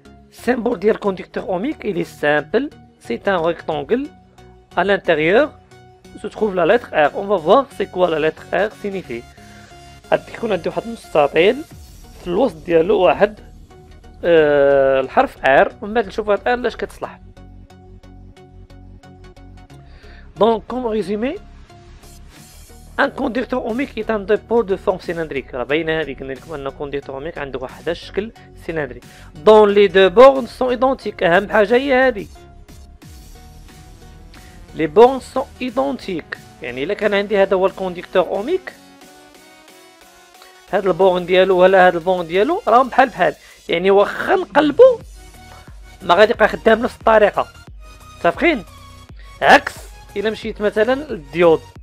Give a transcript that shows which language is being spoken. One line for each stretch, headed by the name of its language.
French: Symbole du conducteur ohmique, il est simple. C'est un rectangle. À l'intérieur se trouve la lettre R. On va voir c'est quoi la lettre R signifie.
Arabic: عندكم عندي واحد المستطيل في الوسط ديالو واحد الحرف R ومن بعد نشوف هاد R لاش كتصلح.
French: Donc comme résumé, un conducteur ohmique est un dipôle de forme cylindrique.
Arabic: راه باينه هادي قلنا لكم ان الكونديكتور اوميك عنده واحد الشكل سيلندري.
French: Dont les deux bornes sont identiques.
Arabic: اهم حاجه هي هادي.
French: Les bornes sont identiques.
Arabic: يعني الا كان عندي هذا هو الكونديكتور اوميك هاد البون ديالو ولا هاد البون ديالو راهم بحال بحال. يعني واخا نقلبو ما غادي يبقى خدام نفس الطريقه. متفقين؟ عكس الا مشيت مثلا للديود.